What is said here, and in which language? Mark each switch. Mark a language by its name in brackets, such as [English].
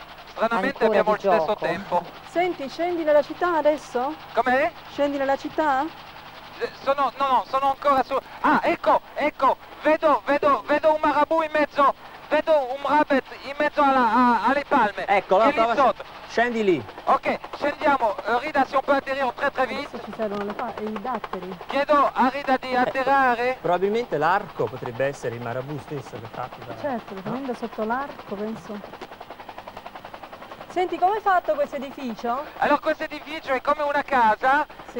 [Italian] Stranamente abbiamo lo stesso tempo. Senti, scendi nella città adesso? Com'è? Scendi nella città? Sono ancora su... Ah, ecco, vedo un marabù in mezzo, vedo un rabbet in mezzo alle palme. Ecco, lì sotto. Scendi lì. Ok, scendiamo, [French] Rida, se on peut atterrir très vite. [Italian] Adesso ci servono i datteri. Chiedo a Rida di atterrare. Probabilmente l'arco potrebbe essere il marabù stesso che fa. Certo, lo prendo sotto l'arco, penso... Senti, come è fatto questo edificio? Allora, questo edificio è come una casa, sì.